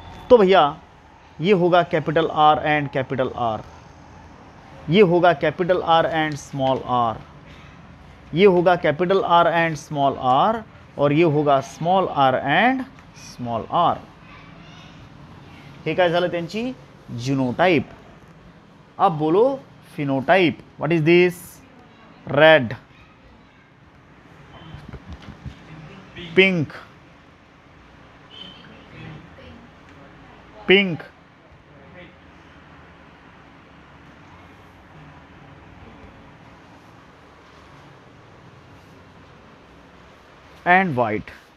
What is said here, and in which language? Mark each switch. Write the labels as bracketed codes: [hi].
[hi] तो भैया ये होगा capital R and capital R, ये होगा capital R and small are, ये होगा capital R and small are, और ये होगा small are and small are. [mr] हे काय झालं त्यांची? जीनोटाइप। [hi] अब बोलो phenotype, [en] What is this? Red, pink, pink, and white.